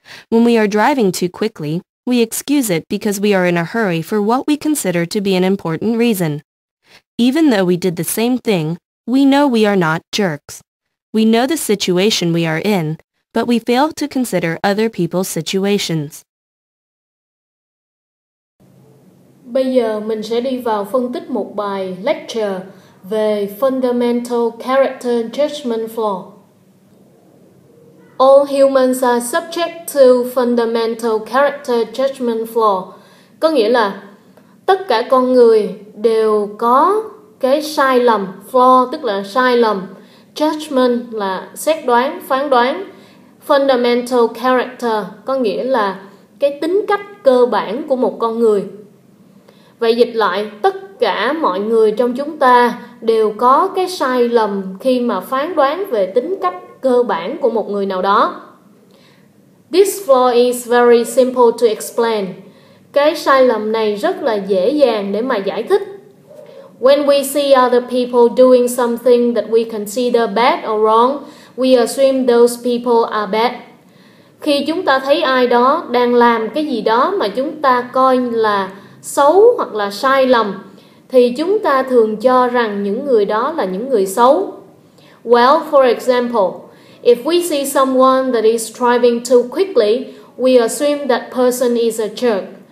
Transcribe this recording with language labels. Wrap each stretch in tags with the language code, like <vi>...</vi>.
<en>When we are driving too quickly, we excuse it because we are in a hurry for what we consider to be an important reason. Even though we did the same thing, we know we are not jerks. We know the situation we are in, but we fail to consider other people's situations.</en> <vi>Bây giờ mình sẽ đi vào phân tích một bài lecture về Fundamental Character Judgment Flaw.</vi> <en>All humans are subject to Fundamental Character Judgment Flaw.</en> <vi>Có nghĩa là tất cả con người đều có cái sai lầm, flaw tức là sai lầm, judgment là xét đoán, phán đoán, Fundamental Character có nghĩa là cái tính cách cơ bản của một con người. Vậy dịch lại, tất cả mọi người trong chúng ta đều có cái sai lầm khi mà phán đoán về tính cách cơ bản của một người nào đó.</vi> <en>This flaw is very simple to explain.</en> <vi>Cái sai lầm này rất là dễ dàng để mà giải thích.</vi> <en>When we see other people doing something that we consider bad or wrong, we assume those people are bad.</en> <vi>Khi chúng ta thấy ai đó đang làm cái gì đó mà chúng ta coi là xấu hoặc là sai lầm, thì chúng ta thường cho rằng những người đó là những người xấu.</vi> <en>Well, for example, if we see someone that is driving too quickly, we assume that person is a jerk.</en>